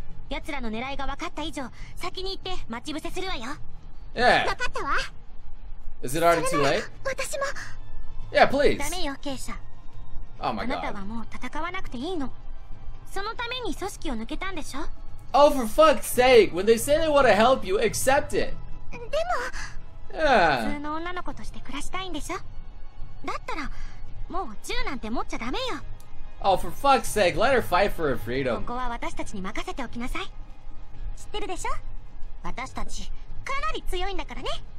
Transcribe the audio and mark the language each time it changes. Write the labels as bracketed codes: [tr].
[ja] 奴らの狙いが分かった以上、先に行って待ち伏せするわよ。 [en] Yeah. [ja] 分かったわ。 [en] Is it already too late? [ja] 私も。 [en] Yeah, please. [ja] ダメよ、傾斜。 [en] Oh my god. [ja] あなたはもう戦わなくていいの。そのために組織を抜けたんでしょ。 [en] Oh, for fuck's sake! When they say they want to help you, accept it. [ja] でも。 [en] Yeah. [ja] 普通の女の子として暮らしたいんでしょ。だったら、もう銃なんて持っちゃダメよ。 [en] Oh, for fuck's sake, let her fight for her freedom. [ja] ここは私たちに任せておきなさい。知ってるでしょ？私たち、かなり強いんだからね。